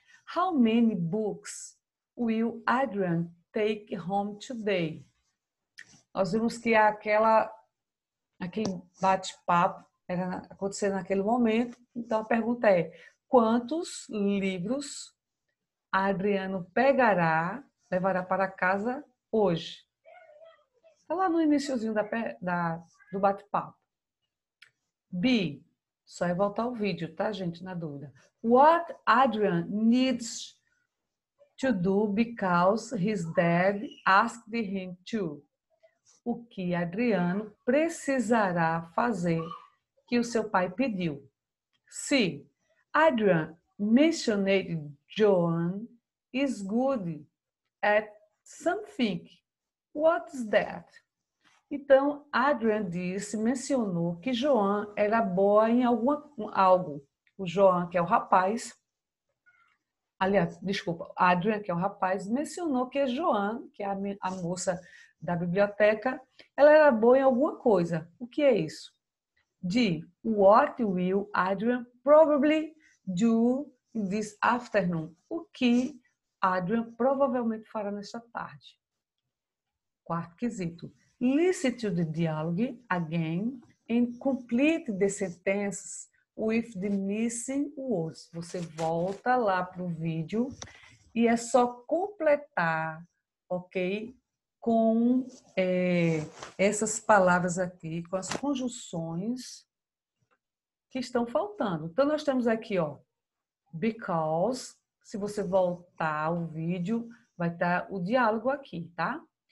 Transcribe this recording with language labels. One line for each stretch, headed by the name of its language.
English: How many books will Adrian take home today?
Portuguese: Nós vimos que aquele bate-papo era acontecendo naquele momento. Então a pergunta é: quantos livros Adriano pegará, levará para casa hoje? Está lá no iniciozinho do bate-papo. B, só é voltar o vídeo, tá, gente, na dúvida.
English: What Adrian needs to do because his dad asked him to?
Portuguese: O que Adriano precisará fazer que o seu pai pediu?
English: C, Adrian mentioned Joan is good at something. What's that?
Portuguese: Então, Adrian disse, mencionou que Joan era boa em algo. O Joan, que é o rapaz, aliás, desculpa, Adrian, que é o rapaz, mencionou que a Joan, que é a moça da biblioteca, ela era boa em alguma coisa. O que é isso?
English: D. What will Adrian probably do this afternoon?
Portuguese: O que Adrian provavelmente fará nesta tarde. Quarto quesito.
English: Listen to the dialogue again and complete the sentences with the missing words.
Portuguese: Você volta lá para o vídeo e é só completar, ok? Com essas palavras aqui, com as conjunções que estão faltando. Então, nós temos aqui, ó, because. Se você voltar o vídeo, vai estar o diálogo aqui, tá?